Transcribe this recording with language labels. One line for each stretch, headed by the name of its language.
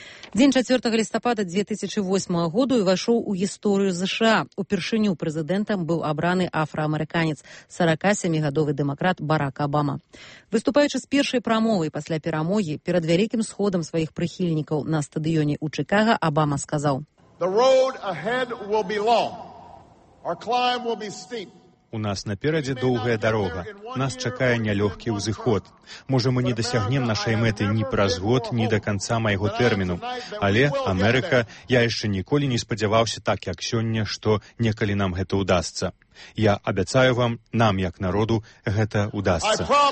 Belarusian: Дзень 4 лістапада 2008 году ўвайшоў у гісторыю ЗША. Упершыню прэзідэнтам быў абраны афраамерыканец, 47-гадовы дэмакрат Барак Абама. Выступаючы з першай прамовай пасля перамогі перад вялікім сходам сваіх прыхільнікаў на стадыёне ў Чыкага, Абама сказаў:
English: "The road ahead will be long. Our climb will be steep.
Belarusian: У нас наперадзе доўгая дарога. Нас чакае нялёгкі ўзыход. Можа, мы не дасягнем нашай мэты ні праз год, ні да канца майго тэрміну. Але Амерыка, я яшчэ ніколі не спадзяваўся так, як сёння, што некалі нам гэта ўдасца. Я абяцаю вам, нам, як народу, гэта ўдасца".